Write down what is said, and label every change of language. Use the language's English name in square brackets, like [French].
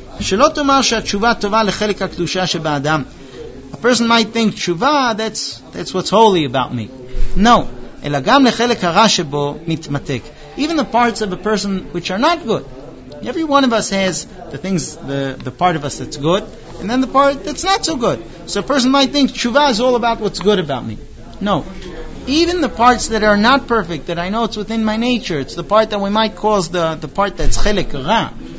[Hebrew] שלא תאמר שהתשובה טובה לחלק הקדושה שבאדם. [English] A person might think, תשובה, that's what's holy about me. [Hebrew] No, אלא גם לחלק הרע שבו מתמתק. [English] Even the parts of a person which are not good. Every one of us has the things, the part of us that's good, and then the part that's not so good. So a person might think, תשובה is all about what's good about me. No. Even the parts that are not perfect, that I know it's within my nature, it's the part that we might call the part that's chelek ra.